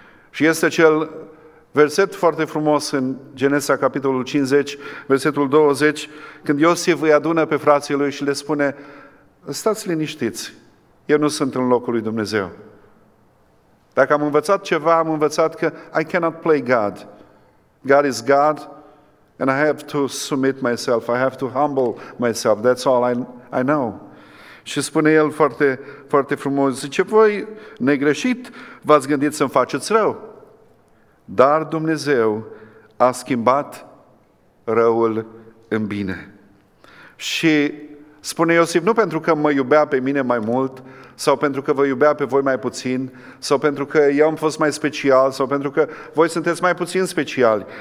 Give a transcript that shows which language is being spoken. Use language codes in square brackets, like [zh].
[ro] Și este acel verset foarte frumos în Geneza, capitolul 50, versetul 20, când Iosif îi adună pe frații lui și le spune, stați liniștiți, eu nu sunt în locul lui Dumnezeu. Dacă am învățat ceva, am învățat că [en] I cannot play God. God is God and I have to submit myself, I have to humble myself, that's all I know. [ro] Și spune el foarte, foarte frumos, zice, voi, negreșit, v-ați gândit să-mi faceți rău, dar Dumnezeu a schimbat răul în bine. Și spune Iosif, nu pentru că mă iubea pe mine mai mult, sau pentru că vă iubea pe voi mai puțin, sau pentru că eu am fost mai special, sau pentru că voi sunteți mai puțin speciali.